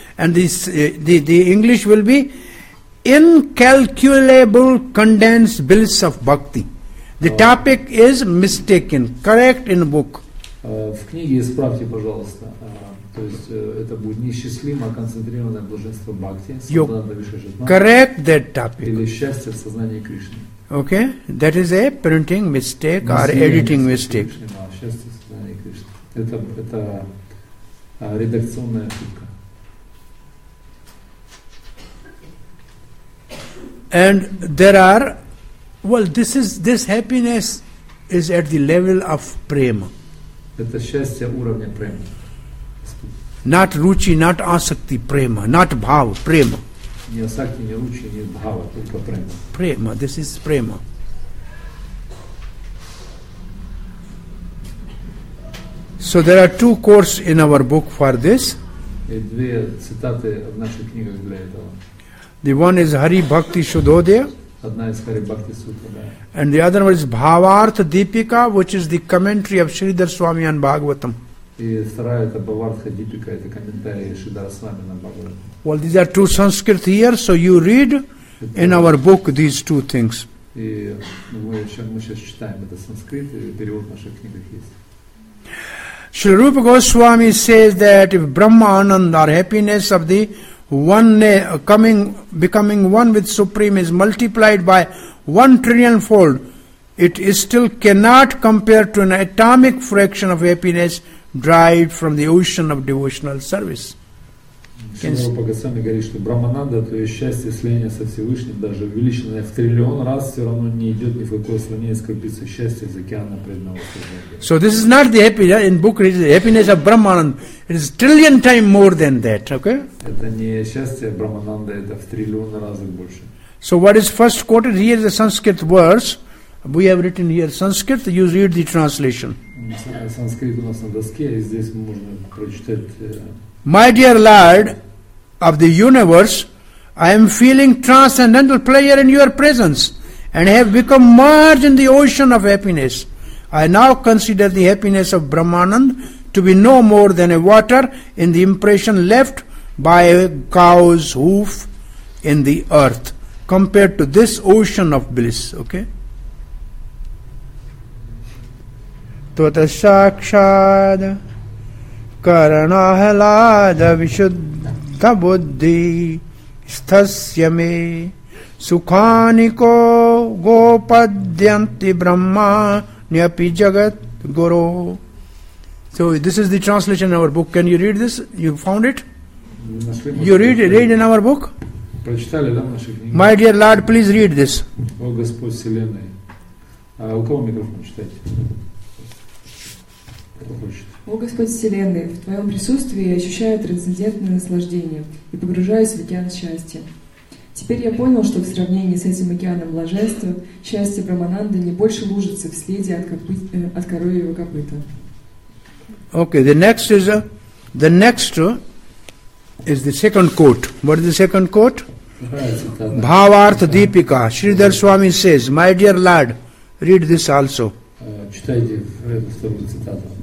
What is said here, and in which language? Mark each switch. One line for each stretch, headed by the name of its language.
English: And the English will be incalculable condensed bliss of bhakti. The topic is mistaken. Correct in book.
Russian: В книге исправьте, пожалуйста. То есть это будет несчастливое концентрированное блаженство бхакти.
English: Correct that topic.
Russian: Или счастье в сознании Кришны.
English: Okay, that is a printing mistake or editing mistake.
Russian: Счастье в сознании Кришны. Это редакционная ошибка.
English: And there are, well, this happiness is at the level of prema.
Russian: Это счастье уровня према.
English: Not ruchi, not asakti, prema, not bhava, prema.
Russian: Не асакти, не ruchi, не bhava, только prema.
English: Prema, this is prema. So there are two quotes in our book for this.
Russian: И две цитаты в наших книгах для этого.
English: The one is Hari Bhakti Shudhodaya.
Russian: Одна из Hari Bhakti Sutra.
English: And the other one is Bhavartha Deepika, which is the commentary of Sridhar Swami on Bhagavatam.
Russian: И вторая это Bhavartha Deepika, это комментарий Шридхара Свами на Бхагаватам.
English: Well, these are two Sanskrit here, so you read in our book these two things.
Russian: Мы сейчас читаем это санскрит, и перевод в наших книгах есть.
English: Шри Рупа Госвами says that if Brahma Ananda, or happiness of the becoming one with Supreme is multiplied by 1 trillion fold, it is still cannot compare to an atomic fraction of happiness derived from the ocean of devotional service.
Russian: Шри Рупа Госвами говорит, что Брахмананда, то есть счастье слияния со Всевышним, даже увеличенное в триллион раз, все равно не идет ни в какое сравнение с крупицей счастья из океана преданного служения.
English: So this is not the happiness in book, it is the happiness of Brahmananda. It is trillion times more than that, okay?
Russian: Это не счастье Брахмананда, это в триллион раз больше.
English: So what is first quoted here is the Sanskrit words. We have written here Sanskrit, you read the translation.
Russian: Санскрит у нас на доске, и здесь можно прочитать.
English: My dear Lord of the universe, I am feeling transcendental pleasure in your presence and have become merged in the ocean of happiness. I now consider the happiness of Brahmananda to be no more than a water in the impression left by a cow's hoof in the earth compared to this ocean of bliss. Okay?
Sanskrit: Tvatasakshada Karanahalada Vishuddha Buddhi Sthasyame Sukhaniko Gopadyanti Brahma Nyapi Jagat Guru.
English: So this is the translation in our book. Can you read this? You found it? You read in our book?
Russian: Прочитали, да, в наших книгах?
English: My dear Lord, please read this.
Russian: О Господь Вселенной. У кого микрофон читать? О Господь Вселенной, в Твоем присутствии я ощущаю трансцендентное наслаждение и погружаюсь в океан счастья. Теперь я понял, что в сравнении с этим океаном блаженства счастье Брахмананды не больше лужится вследе от коровьего копыта.
English: Okay, the next is the second quote. What is the second quote? Bhavartha Deepika. Sridhar Swami says, my dear Lord, read this also.
Russian: Читайте эту вторую цитату.